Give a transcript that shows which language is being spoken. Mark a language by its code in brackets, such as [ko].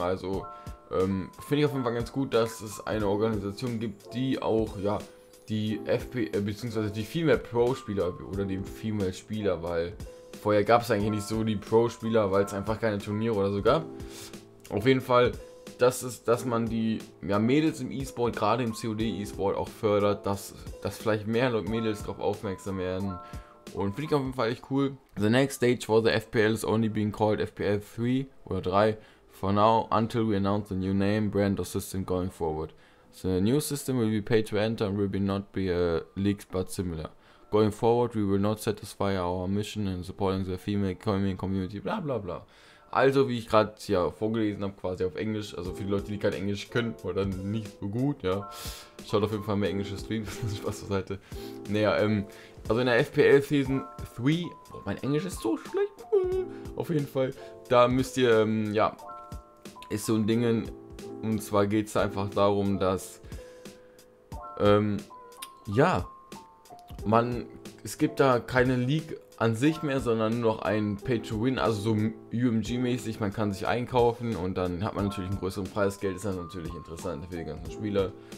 [de] Also finde ich auf jeden Fall ganz gut, dass es eine Organisation gibt, die auch, ja, die FPL, beziehungsweise die Female Pro-Spieler oder die Female Spieler, weil vorher gab es eigentlich nicht so die Pro-Spieler, weil es einfach keine Turniere oder so gab. Auf jeden Fall. Das ist, dass man die ja, Mädels im E-Sport, gerade im COD-E-Sport auch fördert, dass vielleicht mehr Mädels darauf aufmerksam werden. Und finde ich auf jeden Fall echt cool. [en] The next stage for the FPL is only being called FPL 3 oder 3 for now until we announce the new name, brand or system going forward. The new system will be paid to enter and will be not be a league but similar. Going forward we will not satisfy our mission in supporting the female community, bla bla bla. [de] Also, wie ich gerade hier vorgelesen habe, quasi auf Englisch, also für die Leute, die kein Englisch können oder nicht so gut, ja. Schaut auf jeden Fall mehr englische Streams, Spaß zur Seite. Naja, also in der FPL Season 3, oh, mein Englisch ist so schlecht, auf jeden Fall, da müsst ihr, ja, ist so ein Ding, und zwar geht es einfach darum, dass, ja, man, es gibt da keine League an sich mehr, sondern nur noch ein Pay-to-Win, also so UMG-mäßig, man kann sich einkaufen und dann hat man natürlich ein größeres Preisgeld, ist dann natürlich interessant für die ganzen Spieler.